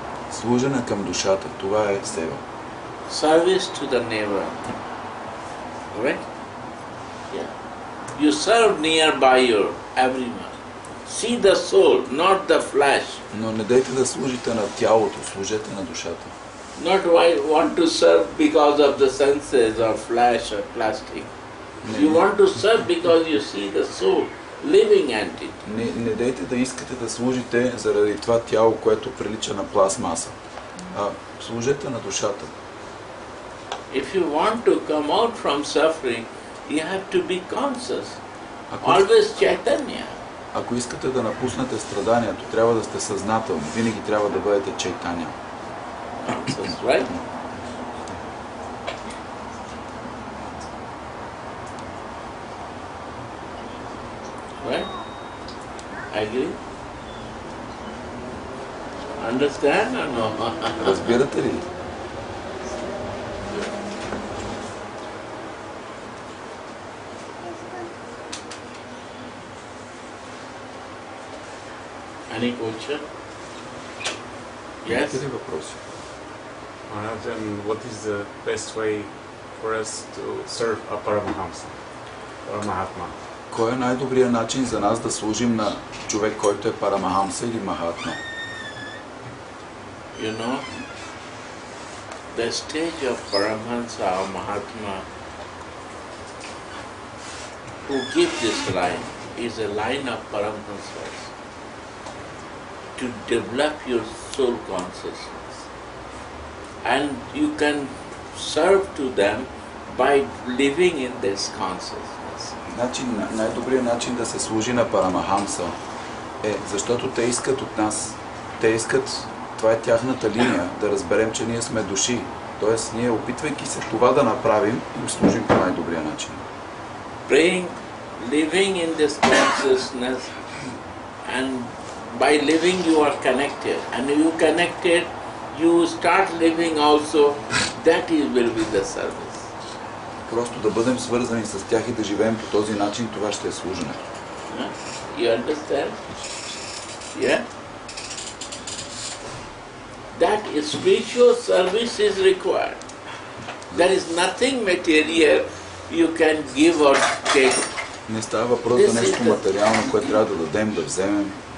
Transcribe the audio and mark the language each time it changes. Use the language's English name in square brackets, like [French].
[Bulgarian] Служене към душата, това е сева. [English] Service to the neighbor. Right? You serve nearby your everyone. See the soul, not the flesh. [Bulgarian] Но не дайте да служите на тялото, служете на душата. [English] Not why want to serve because of the senses or flesh or plastic. [Bulgarian] Не. [English] You want to serve because you see the soul, living entity. [Bulgarian] Не дайте да искате да служите заради това тяло, което прилича на пластмаса. А служете на душата. [English] If you want to come out from suffering, you have to be conscious. Always Chaitanya. [Bulgarian] Ако искате да напуснете страданието, трябва да сте съзнателни. Винаги трябва да бъдете Чайтаня. [English] Right? Right? Agree? Understand or no? [Bulgarian] Разбирате ли? [English] Any question? Yes? Then what is the best way for us to serve a Paramahamsa or Mahatma? [Bulgarian] Кой е най-добрият начин за нас да служим на човек, който е Парамахамса или Махатма? [English] You know, the stage of Парамахамса or Mahatma who give this line is a line of Парамахамса. To develop your soul consciousness. And you can serve to them by living in this consciousness. [Bulgarian] Начин, най-добрият начин да се служи на Парамахамса е, защото те искат от нас, те искат, това е тяхната линия, да разберем, че ние сме души. Тоест, ние опитвайки се това да направим, им служим по най-добрия начин. [English] Praying, living in this consciousness and by living you are connected, and you connected, you start living also, that is will be the service. [Bulgarian] Просто да бъдем свързани с тях и да живеем по този начин, това ще е служене. [English] You understand? Yeah? That is spiritual service is required. There is nothing material you can give or take. [Bulgarian] Не става въпрос за нещо материално, което трябва да дадем, да вземем.